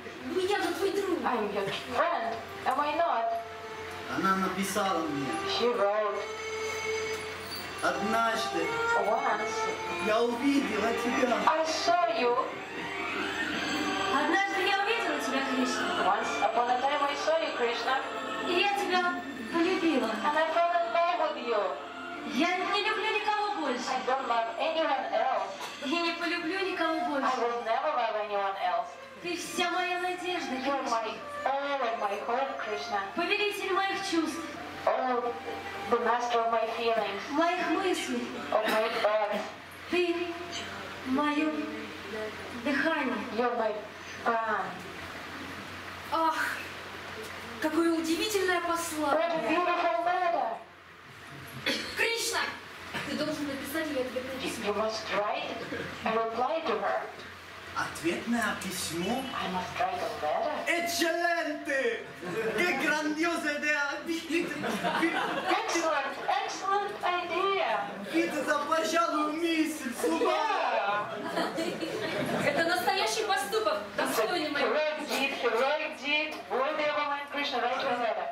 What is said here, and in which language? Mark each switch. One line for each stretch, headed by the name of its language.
Russian: Ну я же твой друг.
English: I'm your friend. Am I not?
Russian: Она написала мне.
English: She wrote.
Russian: Однажды.
English: Once.
Russian: Я увидела тебя.
English: I saw you.
Russian: Однажды я увидела тебя, Кришна.
English: Once upon a time I saw you, Krishna.
Russian: И я тебя полюбила.
English: And I fell in love with you.
Russian: Я не люблю никого больше.
English: I don't love anyone else.
Russian: Я не полюблю никого больше.
English: I will never love anyone else.
Russian: Ты вся моя надежда, Кришна.
English: You're my all of my hope, Krishna.
Russian: Повелитель моих чувств.
English: Oh, the master of my feelings.
Russian: Моих мыслей.
English: Of my thoughts.
Russian: Ты мое дыхание.
English: You're my prana.
Russian: Ах, какое удивительное послание.
English: What a beautiful letter.
Russian: Кришна! Ты должен написать ей ответное письмо.
English: You must write a reply to her.
Russian: Ответное письмо?
English: I must write a letter.
Spanish: Excelente! Que grandiosa idea!
English: Excellent! Excellent idea!
Russian: Это за пожалуй мысль, слова! Это настоящий поступок, достойный мой.
English: Heroic deed, worthy of a man, Krishna, write your letter.